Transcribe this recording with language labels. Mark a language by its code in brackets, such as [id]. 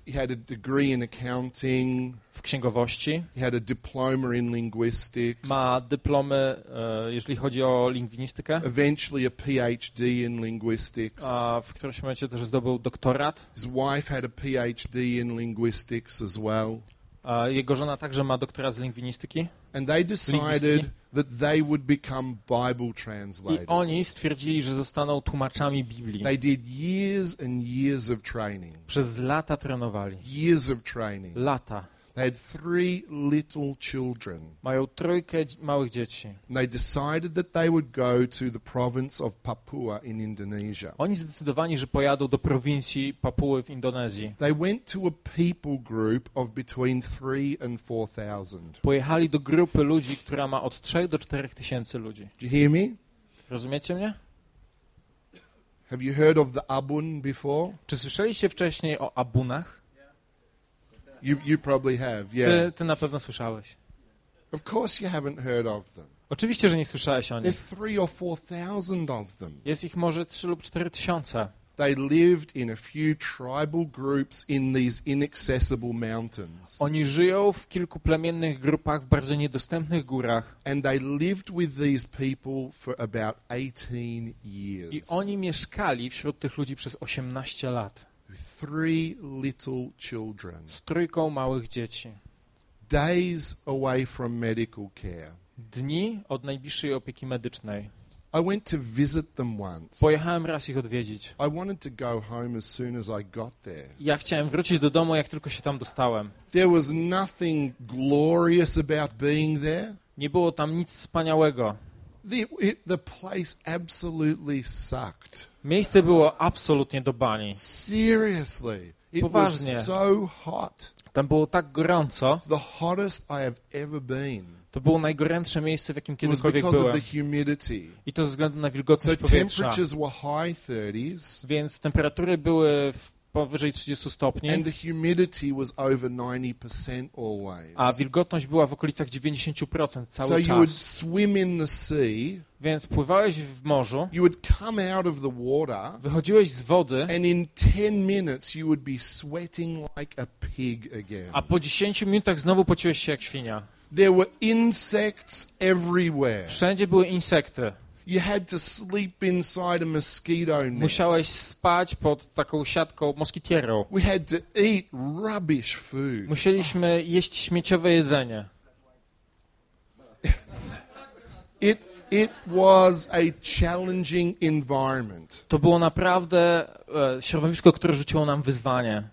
[en] He had a degree in accounting. [pl] W księgowości. [en] He had a diploma in linguistics. [pl] Ma dyplomy, jeżeli chodzi o lingwistykę. [en] Eventually a PhD in linguistics. [pl] A w którymś momencie też zdobył doktorat. [en] His wife had a PhD in linguistics as well. [pl] A jego żona także ma doktorat z lingwistyki. [en] And they decided that they would become Bible translators. [pl] I oni stwierdzili, że zostaną tłumaczami Biblii. [en] They did years and years of training. [pl] Przez lata trenowali. [en] Years of training. [pl] Lata. [en] They had three little children. [pl] Mają trójkę małych dzieci. [en] And they decided that they would go to the province of Papua in Indonesia. [pl] Oni zdecydowali, że pojadą do prowincji Papuły w Indonezji. [en] They went to a people group of between 3,000 and 4,000. [pl] Pojechali do grupy ludzi, która ma od 3,000 do 4,000 ludzi. [en] Do you hear me? [pl] Rozumiecie mnie? [en] Have you heard of the Abun before? [pl] Czy słyszeliście wcześniej o Abunach? [en] You probably have, yeah. [pl] Ty na pewno słyszałeś. [en] Of course you haven't heard of them. [pl] Oczywiście, że nie słyszałeś o nich. [en] There's 3,000 or 4,000 of them. [pl] Jest ich może 3,000 lub 4,000. [en] They lived in a few tribal groups in these inaccessible mountains. [pl] Oni żyją w kilku plemiennych grupach w bardzo niedostępnych górach. [en] And they lived with these people for about 18 years. [pl] I oni mieszkali wśród tych ludzi przez 18 lat. [en] Three little children. [pl] Z trójką małych dzieci. [en] Days away from medical care. [pl] Dni od najbliższej opieki medycznej. [en] I went to visit them once. [pl] Pojechałem raz ich odwiedzić. [en] I wanted to go home as soon as I got there. [pl] Ja chciałem wrócić do domu, jak tylko się tam dostałem. [en] There was nothing glorious about being there. [pl] Nie było tam nic wspaniałego. [en] The place absolutely sucked. [pl] Miejsce było absolutnie do bani. [en] Seriously, it [pl] poważnie. [en] Was so hot. [pl] Tam było tak gorąco. [en] It's the hottest I have ever been. [pl] To było najgorętsze miejsce, w jakim kiedykolwiek byłem. [en] It was because of the humidity. [pl] I to ze względu na wilgotność [en] so [pl] powietrza. [en] Temperatures were high 30s. [pl] Więc temperatury były powyżej 30 stopni. [en] And the humidity was over 90% always. [pl] A wilgotność była w okolicach 90% cały [en] so [pl] czas. [en] So you would swim in the sea. [pl] Więc pływałeś w morzu. [en] You would come out of the water. [pl] Wychodziłeś z wody. [en] And in 10 minutes you would be sweating like a pig again. [pl] A po 10 minutach znowu pociłeś się jak świnia. [en] There were insects everywhere. [pl] Wszędzie były insekty. [en] You had to sleep inside a mosquito net. [pl] Musiałeś spać pod taką siatką moskitierą. [en] We had to eat rubbish food. [pl] Musieliśmy jeść śmieciowe jedzenie. [en] It was a challenging environment. [pl] To było naprawdę środowisko, które rzuciło nam wyzwanie.